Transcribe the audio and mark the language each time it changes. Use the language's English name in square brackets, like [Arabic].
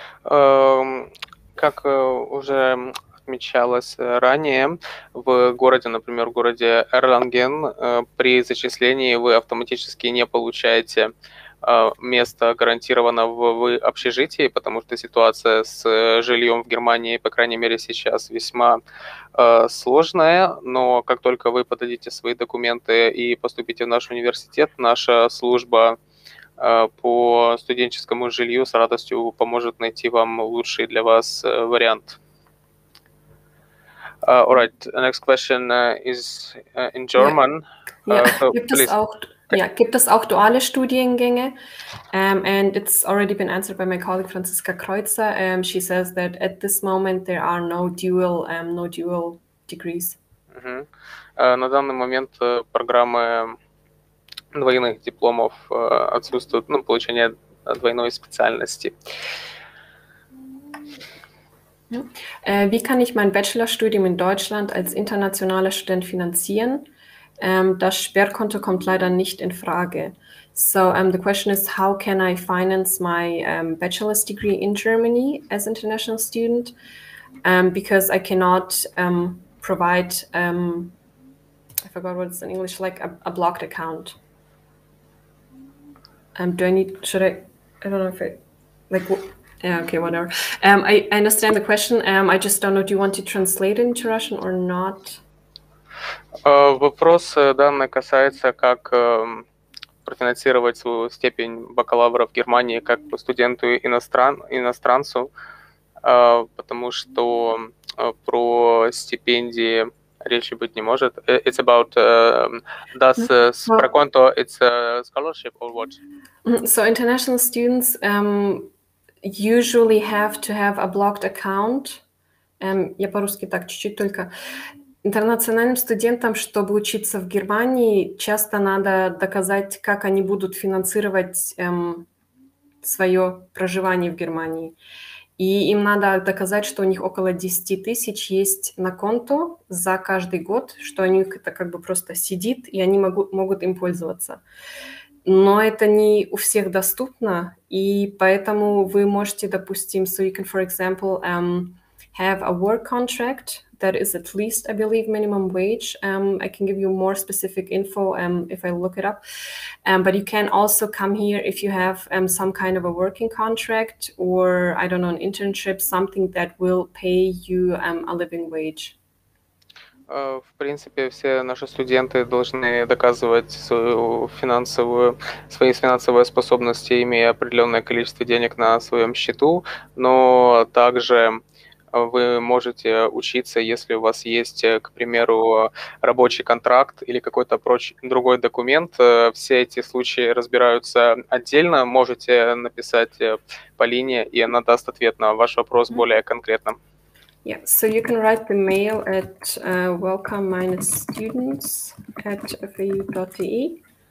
[Russian] Как уже отмечалось ранее, в городе, например, в городе Эрланген, при зачислении вы автоматически не получаете место гарантировано в общежитии, потому что ситуация с жильем в Германии, по крайней мере, сейчас весьма сложная, но как только вы подадите свои документы и поступите в наш университет, наша служба по студенческому жилью с радостью поможет найти вам лучший для вас вариант. [English] All right, the next question is in German. [German] Ja, gibt es auch duale Studiengänge? [English] And it's already been answered by my colleague Franziska Kreuzer. She says that at this moment there are no dual degrees. [Russian] На данный момент программы двойных дипломов отсутствует, ну, получение двойной специальности. [German] Wie kann ich mein Bachelorstudium in Deutschland als internationaler Student finanzieren? Das Sperrkonto kommt leider nicht in Frage. [English] So the question is, how can I finance my bachelor's degree in Germany as international student? Because I cannot provide, I forgot what it's in English, like a blocked account. Do I need, should I don't know if I, like, yeah, okay, whatever. I understand the question. I just don't know, do you want to translate into Russian or not? [Russian] Вопрос данный касается, как профинансировать свою степень бакалавра в Германии как студенту иностранцу, потому что про стипендии речи быть не может. [English] It's about does Sperrkonto, it's a scholarship or what? So international students usually have to have a blocked account. [Russian] Я по-русски так чуть-чуть только. Интернациональным студентам, чтобы учиться в Германии, часто надо доказать, как они будут финансировать свое проживание в Германии. И им надо доказать, что у них около 10 тысяч есть на конту за каждый год, что у них это как бы просто сидит, и они могут им пользоваться. Но это не у всех доступно, и поэтому вы можете, допустим, [English] so you can, for example, have a work contract, that is at least, I believe, minimum wage. I can give you more specific info if I look it up. But you can also come here if you have some kind of a working contract or, I don't know, an internship, something that will pay you a living wage. [Russian] В принципе, все наши студенты должны доказывать свои финансовые способности, имея определенное количество денег на своем счету, но также вы можете учиться, если у вас есть, к примеру, рабочий контракт или какой-то другой документ. Все эти случаи разбираются отдельно. Можете написать по линии, и она даст ответ на ваш вопрос более конкретно. [English] Yeah, so you can write the mail at welcome-students@fau.de.